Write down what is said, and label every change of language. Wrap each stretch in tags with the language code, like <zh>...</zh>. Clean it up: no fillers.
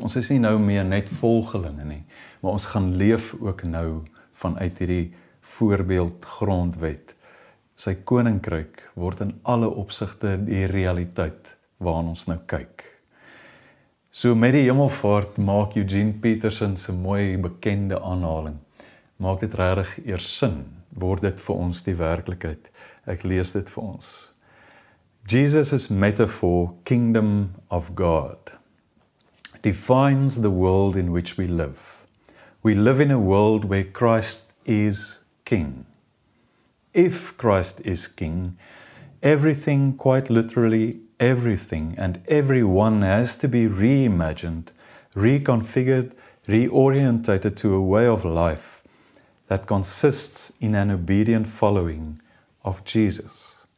<af>Ons is nie nou meer net volgelinge nie, maar ons gaan leef ook nou vanuit hierdie voorbeeld grondwet. Sy koninkryk word in alle opsigte die realiteit waarin ons nou kyk. So met die hemelvaart maak Eugene Peterson se mooi bekende aanhaling. Maak dit regtig eers sin, word dit vir ons die werklikheid. Ek lees dit vir ons.</af> <en>Jesus's metaphor, kingdom of God, defines the world in which we live. We live in a world where Christ is king. If Christ is king, everything quite literally everything and everyone has to be reimagined, reconfigured, reorientated to a way of life that consists in an obedient following of Jesus.</en>